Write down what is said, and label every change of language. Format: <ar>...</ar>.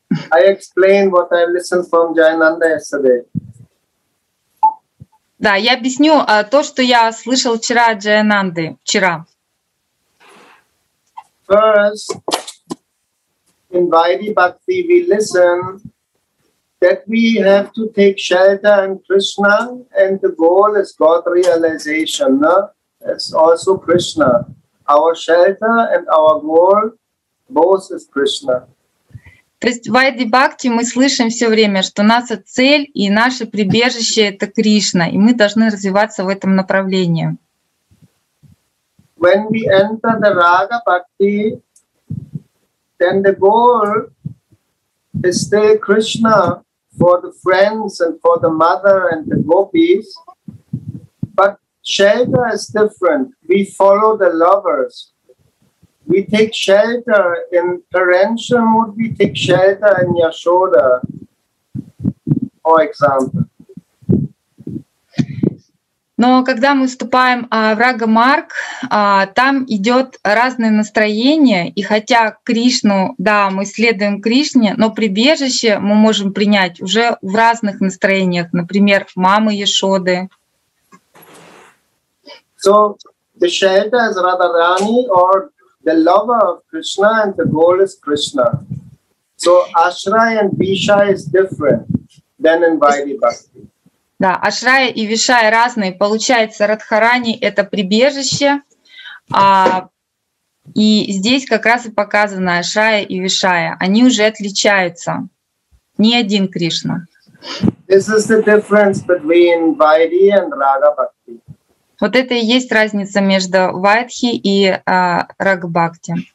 <en>I explain what I listened from Jayananda yesterday.</en> <ru>Да, я объясню то, что я слышал вчера от Джаянанды. Вчера.</ru> <en>First, in Vaidhi Bhakti we listen that we have to take shelter in Krishna and the goal is God realization. No? It's also Krishna. Our shelter and our goal both is Krishna.</en> <ru>То есть в Вайди Бхакти мы слышим все время, что наша цель и наше прибежище — это Кришна, и мы должны развиваться в этом направлении.</ru> <en>When we enter the Raga Bhakti, then the goal is still Krishna for the friends and for the mother and the gopis. But shelter is different. We follow the lovers. We take shelter in parental mood, we take shelter in Yashoda, for example.</en> <ru>Но когда мы вступаем в Рага Марг, там идет разное настроение, и хотя Кришну, да, мы следуем Кришне, но прибежище мы можем принять уже в разных настроениях, например, мамы Яшоды.</ru> <en>So the shelter is Radharani or the lover of Krishna and the goal is Krishna. So Ashraya and Vishaya is different than in Vaidhi Bhakti.</en> <ru>Да, Ashraya и Vishaya разные. Получается, Радхарани — это прибежище. И здесь как раз и показано Ashraya и Vishaya. Они уже отличаются. Не один Кришна.</ru> <en>This is the difference between Vaidhi and Radha Bhakti.</en> <ru>Вот это и есть разница между Вайдхи и Рагбхакти.</ru>